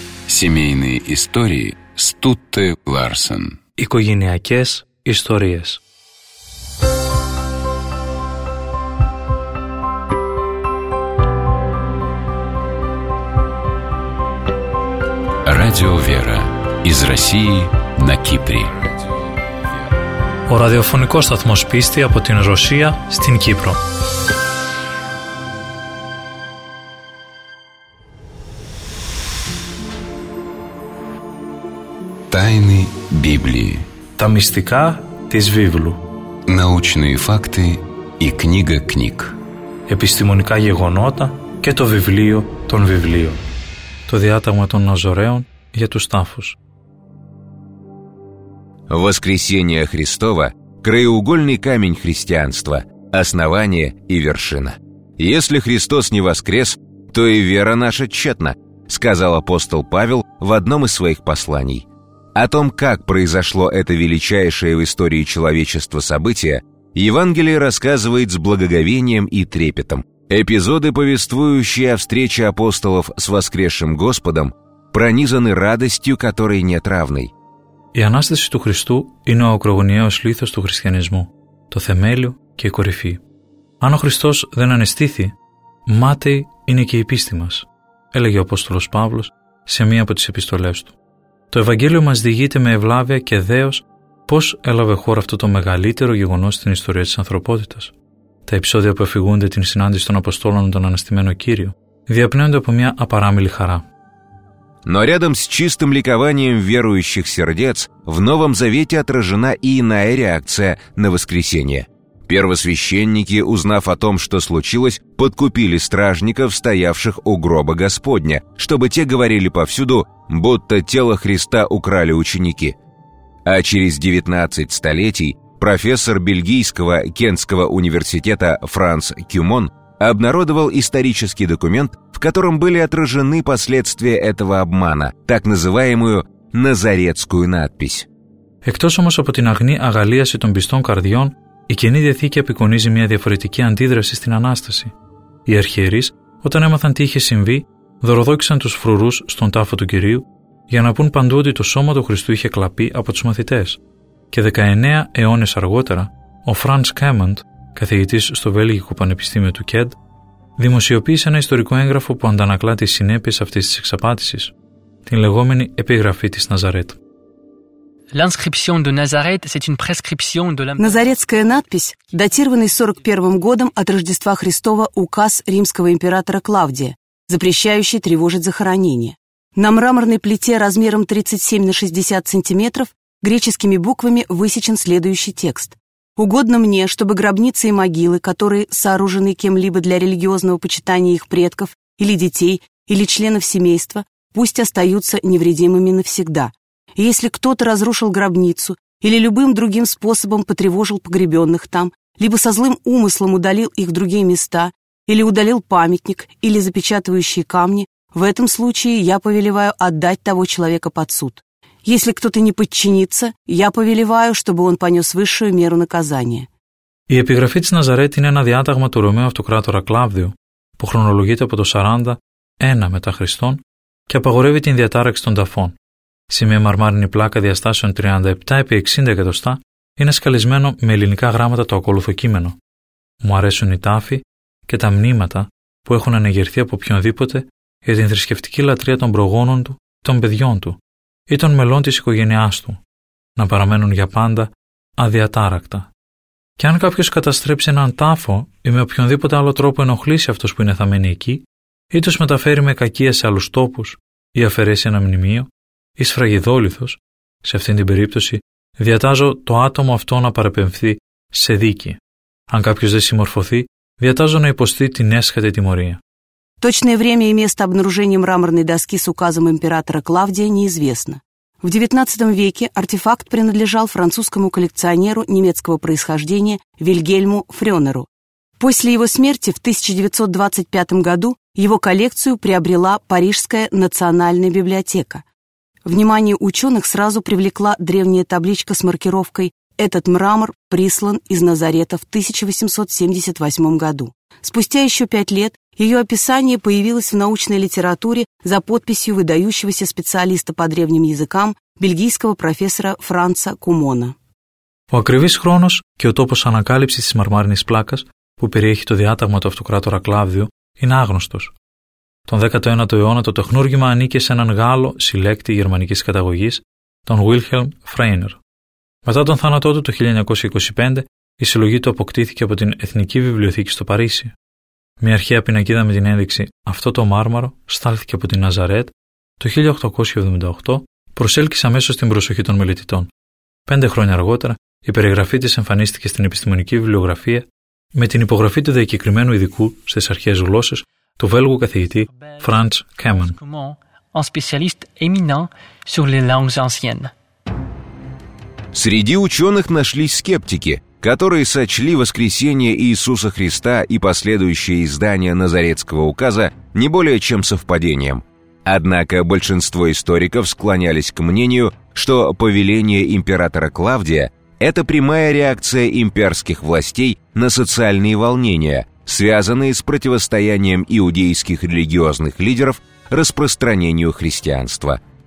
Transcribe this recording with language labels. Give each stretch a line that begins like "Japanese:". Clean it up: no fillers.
Russian: Семейные истории Стутте Ларсен.
Greek: Οικογενειακές ιστορίες.
Russian: Радио Вера. Из России на Кипре.
Greek: Ο ραδιοφωνικός σταθμός πίστη από την Ρωσία στην Κύπρο.
Russian: Тайны Библии.
Greek: Τα μυστικά της Βίβλου.
Russian: Научные факты и книга книг.
Greek: Επιστημονικά γεγονότα και το βιβλίο των βιβλίων. Το διάταγμα των Ναζωραίων για τους τάφους.
Russian: Воскресение Христово – краеугольный камень христианства, основание и вершина. «Если Христос не воскрес, то и вера наша тщетна», – сказал апостол Павел в одном из своих посланий. О том, как произошло это величайшее в истории человечества событие, Евангелие рассказывает с благоговением и трепетом. Эпизоды, повествующие о встрече апостолов с воскресшим Господом, пронизаны радостью, которой нет равной.
Greek: Η Ανάσταση του Χριστού είναι ο ακρογωνιαίος λίθος του χριστιανισμού, το θεμέλιο και η κορυφή. Αν ο Χριστός δεν αναστήθη, μάταιη είναι και η πίστη μας, έλεγε ο Απόστολος Παύλος σε μία από τις επιστολές του. Το Ευαγγέλιο μας διηγείται με ευλάβεια και δέος πώς έλαβε χώρα αυτό το μεγαλύτερο γεγονός στην ιστορία της ανθρωπότητας. Τα επεισόδια που αφηγούνται την συνάντηση των Αποστόλων με τον Αναστημένο Κύριο διαπνέονται από μία απαράμιλη χαρά.
Russian: Но рядом с чистым ликованием верующих сердец в Новом Завете отражена и иная реакция на воскресение. Первосвященники, узнав о том, что случилось, подкупили стражников, стоявших у гроба Господня, чтобы те говорили повсюду, будто тело Христа украли ученики. А через 19 столетий профессор бельгийского Кентского университета Франц Кюмон обнародовал исторический документ, в котором были отражены последствия этого обмана, так называемую «Назарецкую надпись».
Greek: Εκτός όμως από την αγνή αγαλίαση των πιστών καρδιών, η Καινή Διαθήκη απεικονίζει μια διαφορετική αντίδραση στην Ανάσταση. Οι αρχιερείς, όταν έμαθαν τι είχε συμβεί, δωροδόκησαν τους φρουρούς στον τάφο του Κυρίου για να πούν παντού ότι το σώμα του Χριστού είχε κλαπεί από τους μαθητές. Και 19 αιώνες αργότερα, ο Φρανς Κλέμαντ, καθηγητής στο Βέλγικο Πανεπιστήμιο του Κεντ, δημοσιοποίησε ένα ιστορικό έγγραφο που αντανακλά τις συνέπειες αυτής της εξαπάτησης, την λεγόμενη Επιγραφή της Ναζαρέτ.
French: L'inscription de Nazareth, c'est une prescription de la...
Russian: Назаретская надпись, датированный 41-м годом от Рождества Христова указ римского императора Клавдия, запрещающий тревожить захоронение. На мраморной плите размером 37 на 60 сантиметров греческими буквами высечен следующий текст. «Угодно мне, чтобы гробницы и могилы, которые сооружены кем-либо для религиозного почитания их предков или детей, или членов семейства, пусть остаются невредимыми навсегда. И если кто-то разрушил гробницу или любым другим способом потревожил погребенных там, либо со злым умыслом удалил их в другие места, или удалил памятник, или запечатывающие камни, в этом случае я повелеваю отдать того человека под суд. Если кто-то не подчинится, я повелеваю, чтобы он понес высшую меру наказания».
Greek: Η επιγραφή της Ναζαρέτ είναι ένα διάταγμα του Ρωμαίου Αυτοκράτορα Κλάβδιου, που χρονολογείται από το 41 μετά Χριστόν και απαγορεύει την διατάραξη των ταφών. Σε μια μαρμάρινη πλάκα διαστάσεων 37 επί 60 εκατοστά είναι σκαλισμένο με ελληνικά γράμματα το ακόλουθο κείμενο. Μου αρέσουν οι τάφοι και τα μνήματα που έχουν ανεγερθεί από οποιονδήποτε για την θρησκευτική λατρεία των προγόνων του, των παιδιών του ή των μελών της οικογένειάς του, να παραμένουν για πάντα αδιατάρακτα. Και αν κάποιος καταστρέψει έναν τάφο ή με οποιονδήποτε άλλο τρόπο ενοχλήσει αυτούς που είναι θαμμένοι εκεί, ή τους μεταφέρει με κακία σε άλλους τόπους, ή αφαιρέσει ένα μνημείο, ή σφραγεί δόλυθος, σε αυτήν την περίπτωση διατάζω το άτομο αυτό να παραπεμφθεί σε δίκη. Αν κάποιος δεν συμμορφωθεί, διατάζω να υποστεί την έσχατη τιμωρία.
Russian: Точное время и место обнаружения мраморной доски с указом императора Клавдия неизвестно. В XIX веке артефакт принадлежал французскому коллекционеру немецкого происхождения Вильгельму Фрёнеру. После его смерти в 1925 году его коллекцию приобрела Парижская национальная библиотека. Внимание ученых сразу привлекла древняя табличка с маркировкой «Этот мрамор прислан из Назарета в 1878 году». Спустя еще 5 лет ее описание появилось в научной литературе за подписью выдающегося специалиста по древним языкам бельгийского профессора Франца Кумона.
Greek: Ο ακριβής χρόνος και ο τόπος ανακάλυψης της μαρμάρινης πλάκας που περιέχει το διάταγμα του αυτοκράτορα Κλάβδιου είναι άγνωστος. Τον 19ο αιώνα το τεχνούργημα ανήκε σε έναν Γάλλο συλλέκτη γερμανικής καταγωγής, τον Wilhelm Freiner. Μετά τον θάνατό του το 1925, η συλλογή του αποκτήθηκε από την Εθνική Βιβλιοθήκη στο Παρίσι. Μια αρχαία πινακίδα με την ένδειξη «Αυτό το μάρμαρο» στάλθηκε από την Ναζαρέτ το 1878, προσέλκυσε αμέσως την προσοχή των μελετητών. 5 χρόνια αργότερα, η περιγραφή της εμφανίστηκε στην επιστημονική βιβλιογραφία με την υπογραφή του διακεκριμένου ειδικού στις αρχαίες γλώσσες του Βέλγου καθηγητή Franz Kamen.
French: Un spécialiste éminent sur les langues anciennes.
Russian: Среди ученых нашлись скептики, которые сочли воскресение Иисуса Христа и последующее издание Назаретского указа не более чем совпадением. Однако большинство историков склонялись к мнению, что повеление императора Клавдия – это прямая реакция имперских властей на социальные волнения, связанные с противостоянием иудейских религиозных лидеров распространению христианства.